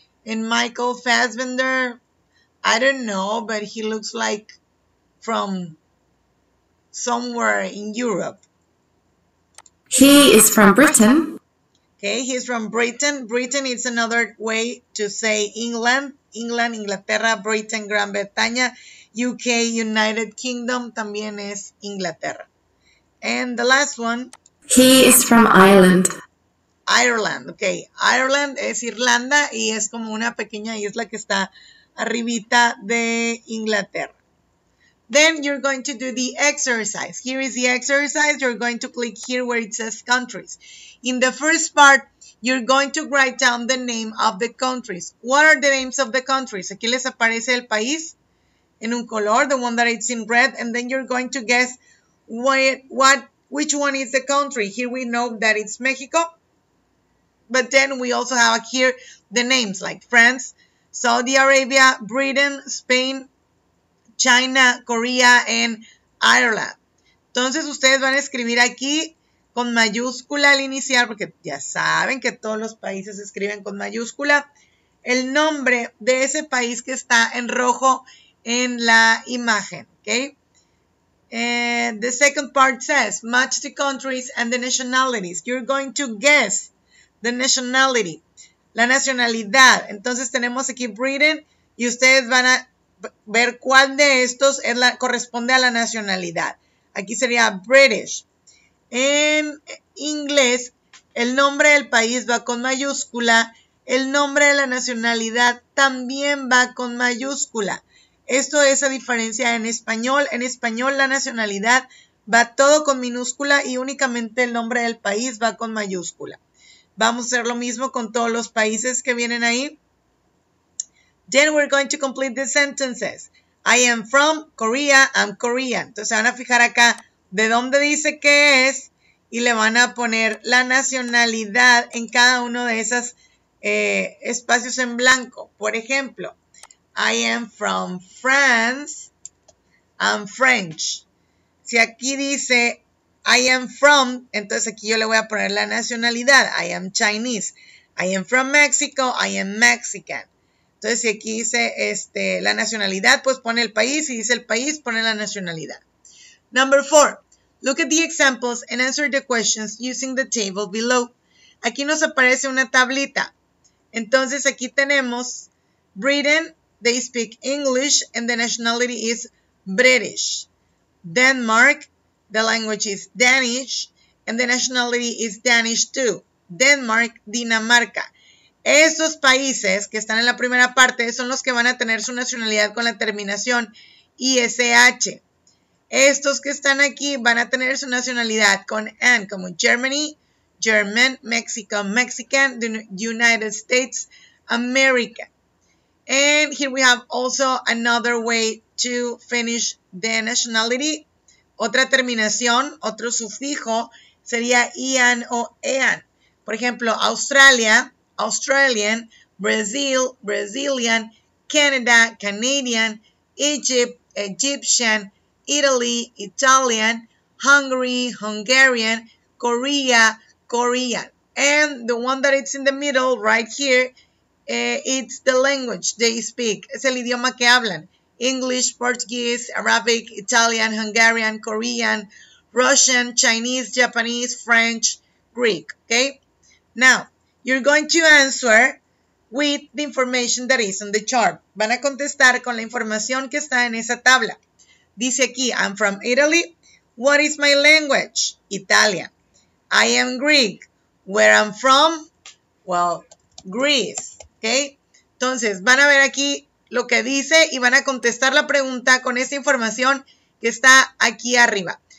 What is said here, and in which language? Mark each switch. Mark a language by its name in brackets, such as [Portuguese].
[English] And Michael Fassbender, I don't know, but he looks like from somewhere in Europe. He is from Britain. Okay, he's from Britain. Britain is another way to say England. [Spanish] England, Inglaterra, Britain, Gran Bretaña, UK, United Kingdom, también es Inglaterra. [English] And the last one, He is from Ireland. Ireland. [Spanish] Okay, Ireland es Irlanda y es como una pequeña isla que está arribita de Inglaterra. [English] Then you're going to do the exercise. Here is the exercise. You're going to click here where it says countries. In the first part, you're going to write down the name of the countries. What are the names of the countries? [Spanish] Aquí les aparece el país en un color, [English] the one that it's in red, and then you're going to guess which one is the country. Here we know that it's Mexico, but then we also have here the names like France, Saudi Arabia, Britain, Spain, China, Corea y Ireland. [Spanish] Entonces ustedes van a escribir aquí con mayúscula al iniciar, porque ya saben que todos los países escriben con mayúscula, el nombre de ese país que está en rojo en la imagen, ¿ok? [English] the second part says, match the countries and the nationalities. You're going to guess the nationality, [Spanish] la nacionalidad. Entonces tenemos aquí Britain y ustedes van a ver cuál de estos es la, corresponde a la nacionalidad. Aquí sería British. En inglés, el nombre del país va con mayúscula. El nombre de la nacionalidad también va con mayúscula. Esto es a diferencia en español. En español la nacionalidad va todo con minúscula y únicamente el nombre del país va con mayúscula. Vamos a hacer lo mismo con todos los países que vienen ahí. [English] Then we're going to complete the sentences. I am from Korea, I'm Korean. [Spanish] Entonces se van a fijar acá de dónde dice que es y le van a poner la nacionalidad en cada uno de esos espacios en blanco. Por ejemplo, [English] I am from France, I'm French. [Spanish] Si aquí dice [English] I am from, [Spanish] entonces aquí yo le voy a poner la nacionalidad. [English] I am Chinese. I am from Mexico, I am Mexican. [Spanish] Entonces, si aquí dice la nacionalidad, pues pone el país. Si dice el país, pone la nacionalidad. [English] Number four, look at the examples and answer the questions using the table below. [Spanish] Aquí nos aparece una tablita. Entonces, aquí tenemos Britain, [English] they speak English, and the nationality is British. Denmark, the language is Danish, and the nationality is Danish too. Denmark, Dinamarca. [Spanish] Esos países que están en la primera parte son los que van a tener su nacionalidad con la terminación ISH. Estos que están aquí van a tener su nacionalidad con N, como Germany, German, Mexico, Mexican, the United States, America. [English] And here we have also another way to finish the nationality. [Spanish] Otra terminación, otro sufijo, sería IAN o EAN. Por ejemplo, Australia, Australian, Brazil, Brazilian, Canada, Canadian, Egypt, Egyptian, Italy, Italian, Hungary, Hungarian, Korea, Korean. [English] And the one that it's in the middle right here, it's the language they speak. [Spanish] Es el idioma que hablan. English, Portuguese, Arabic, Italian, Hungarian, Korean, Russian, Chinese, Japanese, French, Greek. Okay? [English] Now, you're going to answer with the information that is on the chart. [Spanish] Van a contestar con la información que está en esa tabla. [English] Dice aquí, I'm from Italy. What is my language? Italian. I am Greek. Where I'm from? Well, Greece. Okay? [Spanish] Entonces, van a ver aquí lo que dice y van a contestar la pregunta con esa información que está aquí arriba.